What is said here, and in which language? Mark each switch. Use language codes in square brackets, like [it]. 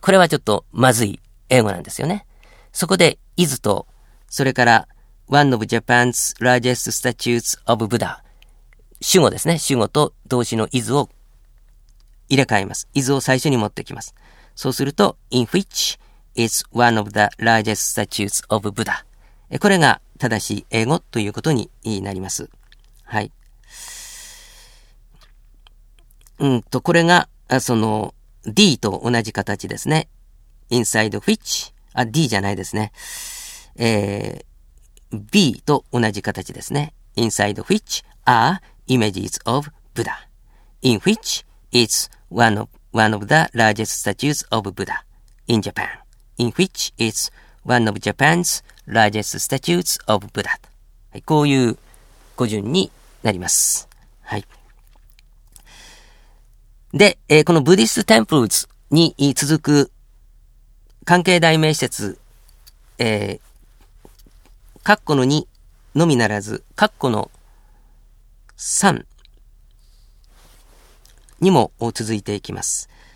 [ja] これはちょっとまずい英語なんですよね。そこで、 [en] is と、それから、one of Japan's largest statues of Buddha。 [ja] 主語ですね。主語と動詞の is を入れ替えます。 is を最初に持ってきます。そうすると、 [en] in which is one of the largest statues of Buddha。 [ja] これが正しい英語ということになります。はい。これが、d と同じ形ですね。 [en] inside which、 [ja] あ、D じゃないですね。 B と同じ形ですね。 [en] inside which are images of Buddha。 in which is one of the largest statues of Buddha in Japan。 in which is one of Japan's largest statues of Buddha。 [ja] はい、こういう語順になります。はい。で、このブディストテンプルズに続く関係代名詞節、括弧の2のみならず、括弧の3にも続いていきます。